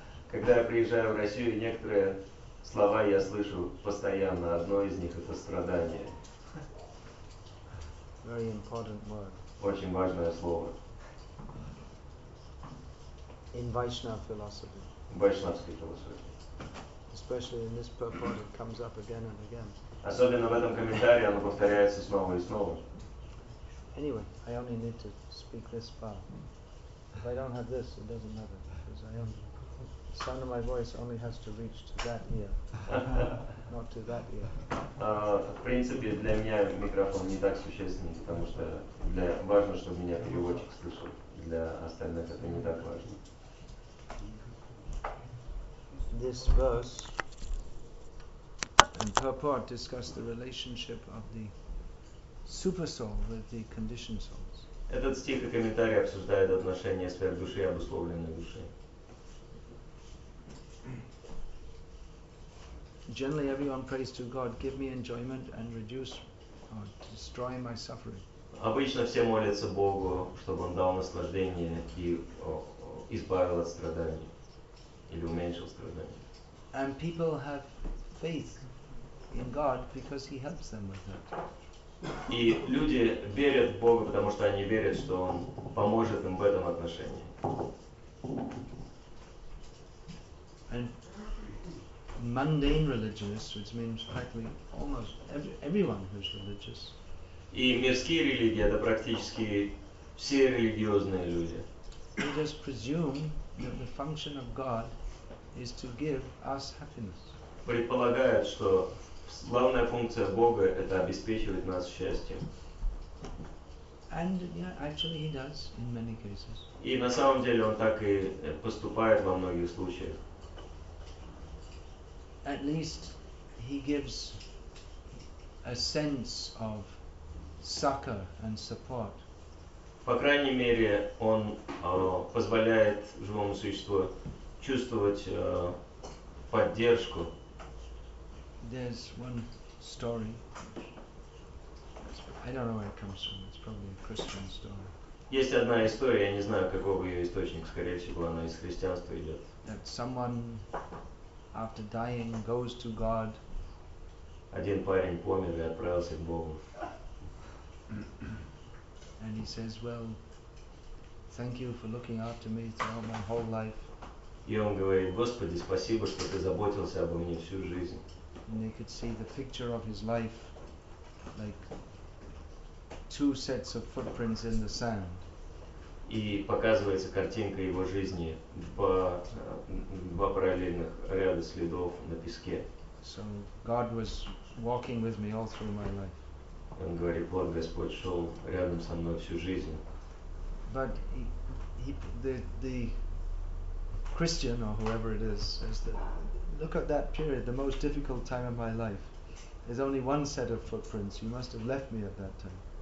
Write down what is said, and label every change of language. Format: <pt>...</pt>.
<ru>Когда я приезжаю в Россию, некоторые слова я слышу постоянно. Одно из них — это страдание.</ru> <en>Very important word.</en> <ru>Очень важное слово.</ru> <en>In Vaishnava philosophy.</en> <ru>В вайшнавской философии.</ru> <en>Especially in this purport, it comes up again and again.</en> <ru>Особенно в этом комментарии оно повторяется снова и снова.</ru> <en>Anyway, I only need to speak this far. If I don't have this, it doesn't matter, because I only... The sound of my voice only has to reach to that ear, not to that ear.</en> <ru>В принципе, для меня микрофон не так существенен, потому что для важно, чтобы меня переводчик слышал. Для остальных это не так важно.</ru> <en>This verse and purport discuss the relationship of the super soul with the conditioned souls.</en> <ru>Этот стих и комментарий обсуждают отношения сверхдуши и обусловленной души.</ru> <en>Generally, everyone prays to God, give me enjoyment and reduce or destroy my suffering.</en> <ru>Обычно все молятся Богу, чтобы он дал наслаждение и избавил от страданий или уменьшил страдания.</ru> <en>And people have faith in God because He helps them with that.</en> <ru>И люди верят в Бога, потому что они верят, что Он поможет им в этом отношении.</ru> <en>And mundane religionists, which means practically almost everyone who's religious.</en> <ru>И мирские религии — это практически все религиозные люди.</ru> <en>They just presume that the function of God is to give us happiness.</en> <ru>Предполагают, что главная функция Бога — это обеспечивать нас счастьем.</ru> <en>And yeah, actually he does in many cases.</en> <ru>И на самом деле он так и поступает во многих случаях.</ru> <en>At least he gives a sense of succor and support.</en> <ru>По крайней мере, он позволяет живому существу чувствовать поддержку.</ru> <en>There's one story. I don't know where it comes from. It's probably a Christian story.</en> <ru>Есть одна история, я не знаю, какого ее источник, скорее всего, она из христианства идет.</ru> <en>That someone after dying goes to God.</en> <ru>Один парень помер и отправился к Богу.</ru> <en>And he says, "Well, thank you for looking after me throughout my whole life."</en> <ru>И он говорит: "Господи, спасибо, что ты заботился обо мне всю жизнь."</ru> <en>And they could see the picture of his life, like two sets of footprints in the sand.</en> <ru>И показывается картинка его жизни два параллельных ряда следов на песке.</ru> <en>So God was walking with me all through my life.</en> <ru>Он говорит: "Вот Господь шел рядом со мной всю жизнь."</ru> <en>But the Christian or whoever it is says that. Look at that period, the most difficult time of my life. There's only one set of footprints. You must have left me at that time.</en>